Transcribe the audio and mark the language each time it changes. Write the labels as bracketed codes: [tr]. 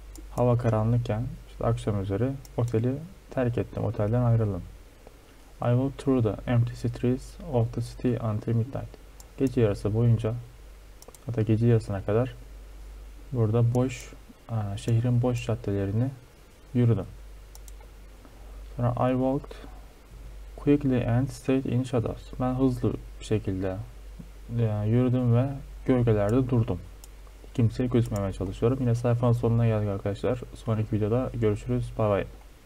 [tr] Hava karanlıkken, işte akşam üzeri oteli terk ettim, otelden ayrıldım. [en] I walked through the empty streets of the city until midnight. [tr] Gece yarısı boyunca, hatta gece yarısına kadar burada boş, şehrin boş caddelerini yürüdüm. Sonra [en] I walked quickly and straight in shadows. [tr] Ben hızlı bir şekilde yürüdüm ve gölgelerde durdum. Kimseye gözükmemeye çalışıyorum. Yine sayfanın sonuna geldik arkadaşlar. Sonraki videoda görüşürüz. Bay bay.